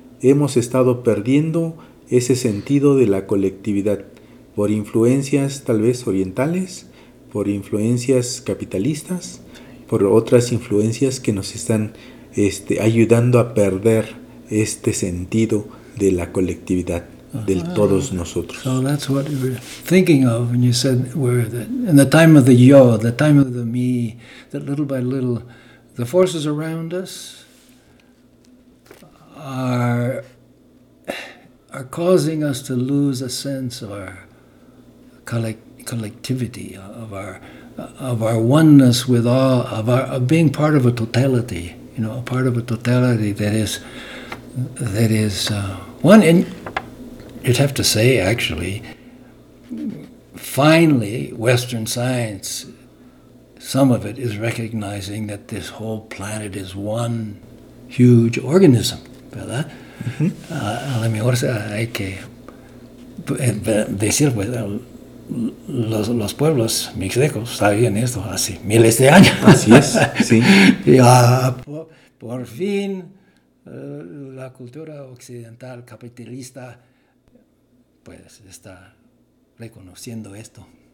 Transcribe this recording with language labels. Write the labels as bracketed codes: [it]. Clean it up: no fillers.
[es] Hemos estado perdiendo ese sentido de la colectividad por influencias tal vez orientales, por influencias capitalistas, por otras influencias que nos están, ayudando a perder este sentido de la colectividad, del todos nosotros. [en] So that's what you were thinking of when you said where that in the time of the yo, the time of the me, that little by little, the forces around us are causing us to lose a sense of our collectivity, of our oneness with all, of being part of a totality, you know, a part of a totality that is one. And you'd have to say, actually, finally, Western science, some of it is recognizing that this whole planet is one huge organism, [es] ¿verdad? A lo mejor hay que decir, bueno, los pueblos mixtecos sabían esto hace miles de años. Así es, sí. Y por fin, la cultura occidental capitalista pues está reconociendo esto.